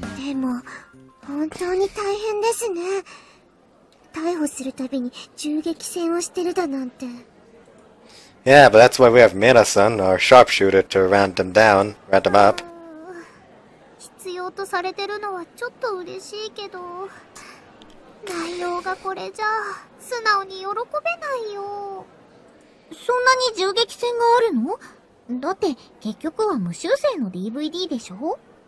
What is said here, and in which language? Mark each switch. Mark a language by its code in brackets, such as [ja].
[ja] でも本当に大変ですね。逮捕するたびに銃撃戦をしてるだなんて。 [en] Yeah, but that's why we have Mira-san, our sharpshooter, to round them down, round them up. [ja] 必要とされてるのはちょっと嬉しいけど、内容がこれじゃ素直に喜べないよ。そんなに銃撃戦があるの？だって結局は無修正のDVDでしょ？